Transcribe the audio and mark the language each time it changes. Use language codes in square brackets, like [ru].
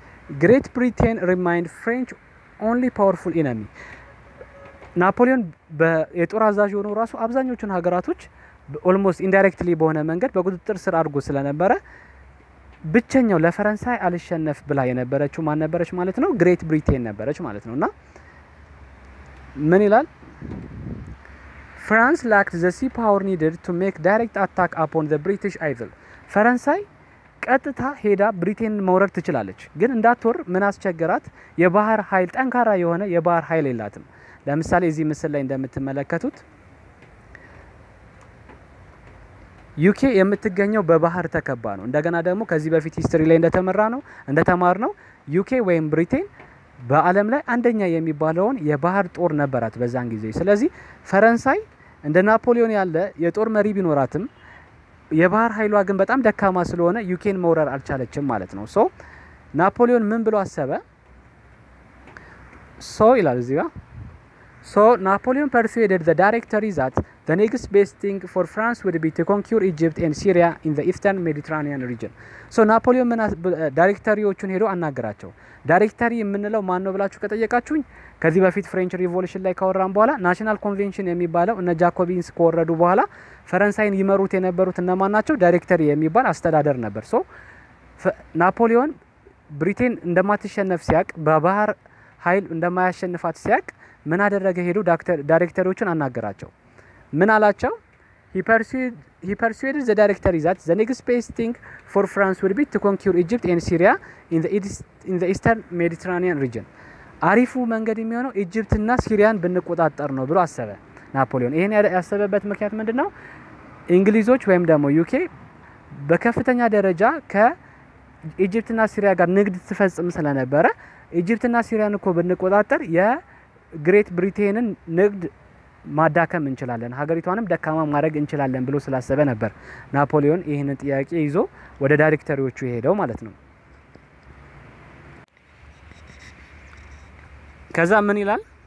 [en] Great Britain remained French only powerful enemy. [am] ናፖሊዮን በየጦር አዛዥ ሆኖ ራሱ አብዛኞቹን ሀገራቶች ኦልሞስት ኢንዳይሬክትሊ በሆነ መንገድ በቁጥጥር ስር አድርጎ ስለነበረ ብቻኛው ለፈረንሳይ አልሸነፍ ብላ የነበረችው ማን ነበረች ማለት ነው? [en] Great Britain [am] ነበረች ማለት ነውና ምን ይላል? [en] France lacked the sea power needed to make direct attack upon the British Isles. [am] ፈረንሳይ ቀጥታ ሄዳ ብሪቴን መውረር ትችላለች ግን እንዳትወር ምን አስቸገራት? የባህር ኃይል ጠንካራ የሆነ የባህር ኃይል የላትም። ለምሳሌ እዚህ ምስል ላይ እንደምትመለከቱት UK የምትገኘው በባህር ተከባ ነው። እንደገና ደግሞ ከዚህ በፊት ሂስትሪ ላይ እንደተማርነው UK ወይም ብሪቴን በአለም ላይ አንደኛ የሚባለውን የባህር ጦር ነበራት በዛን ጊዜ። ስለዚህ ፈረንሳይ እንደ ናፖሊዮን ያለ የጦር መሪ ቢኖራትም የባህር ኃይሏ ግን በጣም ደካማ ስለሆነ UK መውረር አልቻለችም ማለት ነው። ሶ ናፖሊዮን ምን ብሎ አሰበ? ሶ ይላል እዚህ ጋር [en] So Napoleon persuaded the directory that the next best thing for France would be to conquer Egypt and Syria in the eastern Mediterranean region. [am] So Napoleon directory-ዎቹን ሄዶ አናገራቸው። Directory የምንለው ማን ነው ብላችሁ ከጠየቃችሁኝ ከዚህ በፊት French Revolution ላይ ካወራን በኋላ National Convention የሚባለው እነ Jacobins ከወረዱ በኋላ ፈረንሳይን ይመሩት የነበሩት እነማን ናቸው? Directory የሚባል አስተዳደር ነበር። [en] So Napoleon Britain [am] እንደማትሸነፍ ሲያቅ በባህር ኃይል እንደማያሸንፋት ሲያቅ ምን አደረገ? ሄዱ ዳይሬክተሮቹን አናገራቸው። ምን አላቸው? [en] He persuaded the director that the next best thing for France would be to conquer Egypt and Syria in the eastern Mediterranean region. [am] አሪፉ መንገድ የሚሆነው ኢጅፕትና ሲሪያን ብንቆጣጠር ነው ብሎ አሰበ ናፖሊዮን። ይሄን ያሰበበት ምክንያት ምንድነው? እንግሊዞች ወይም ደግሞ ዩኬ በከፍተኛ ደረጃ ከኢጅፕትና ሲሪያ ጋር ንግድ ተፈጽም ስለነበረ ኢጅፕትና ሲሪያን እኮ ብንቆጣጠር የግሬት ብሪቴንን ንግድ ማዳከም እንችላለን፣ ሀገሪቷንም ደካማ ማድረግ እንችላለን ብሎ ስላሰበ ነበር ናፖሊዮን ይሄን ጥያቄ ይዞ ወደ ዳይሬክተሮቹ ሄደው ማለት ነው። ከዛ ምን ይላል?